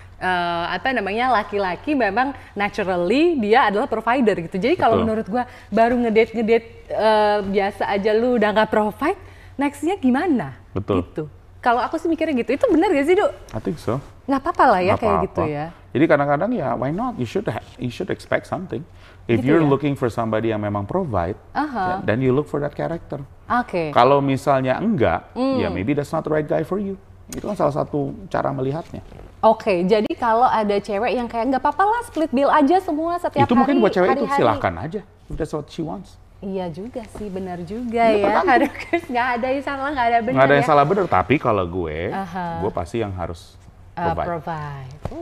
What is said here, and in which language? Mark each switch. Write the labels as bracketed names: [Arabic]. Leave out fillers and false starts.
[Indonesian] laki-laki memang naturally dia adalah provider gitu. Jadi kalau menurut gue baru ngedate biasa aja lu udah gak provide, next-nya gimana? Betul. Gitu. Kalau aku sih mikirnya gitu, itu benar gak sih, Du? [English] I think so. [Indonesian] Gak apa-apa lah ya, gak kayak apa-apa. Gitu ya. Jadi kadang-kadang ya [English] why not, you should expect something. If [Indonesian] gitu [English] you're [Indonesian] ya? [English] Looking for somebody [Indonesian] yang memang provide, [English] then you look for that character. [Indonesian] Oke. Okay. Kalau misalnya enggak, ya [English] maybe that's not the right guy for you. [Indonesian] Itu kan salah satu cara melihatnya. Oke, jadi kalau ada cewek yang kayak nggak apa-apa lah split bill aja semua setiap itu Itu mungkin buat cewek itu silakan aja. [English] If that's what she wants. [Indonesian] Iya juga sih, benar juga ya. Nggak ada yang salah, nggak ada benar. Nggak ada yang ya. Salah benar, tapi kalau gue pasti yang harus provide.